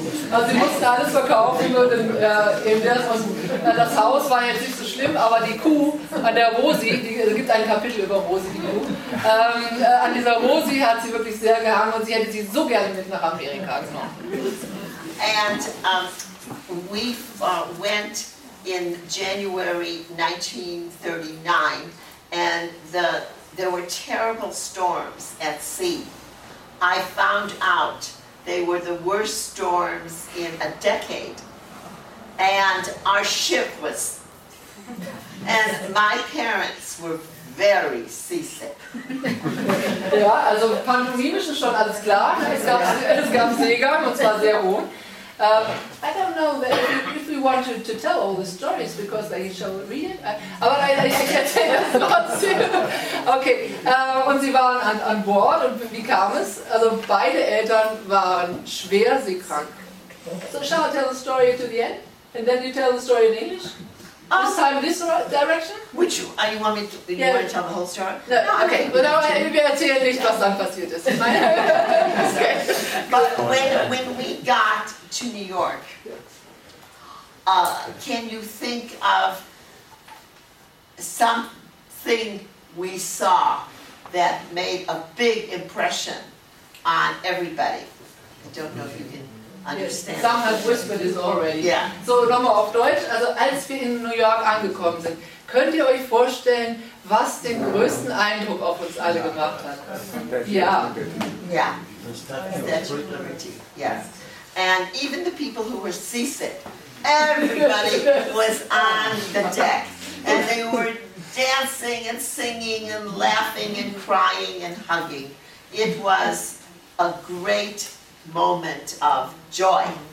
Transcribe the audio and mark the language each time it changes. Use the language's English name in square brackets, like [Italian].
[German] Also sie mussten alles verkaufen, und das Haus war jetzt nicht so schlimm, aber die Kuh an der Rosi, es gibt ein Kapitel über Rosi, die Kuh, an dieser Rosi hat sie wirklich sehr gehangen und sie hätte sie so gerne mit nach Amerika genommen. [English] And we went in January 1939, and there were terrible storms at sea. I found out they were the worst storms in a decade, and our ship was, and my parents were very seasick. [German] Ja, also pantomimisch ist schon alles klar. Es gab Seegang und zwar sehr hoch. [English] I don't know if we want to tell all the stories because they shall read it. [German] Aber [English] I can tell the thoughts too. [German] Okay, und sie waren an Bord und wie kam es? Also beide Eltern waren schwer seekrank. [English] So shall I tell the story to the end? And then you tell the story in English? This time this direction? Would you? You want me to tell the whole story? No, okay. But now I will tell you what happened. But when we got to New York, can you think of something we saw that made a big impression on everybody? I don't know if you can. Yes, Sam has whispered this already. Yeah. [German] So nochmal auf Deutsch, also als wir in New York angekommen sind, könnt ihr euch vorstellen, was den größten Eindruck auf uns alle gemacht hat? Ja. Ja. [English] Statue of Liberty. Yes. And even the people who were seasick, everybody was on the deck. And they were dancing and singing and laughing and crying and hugging. It was a great moment of joy.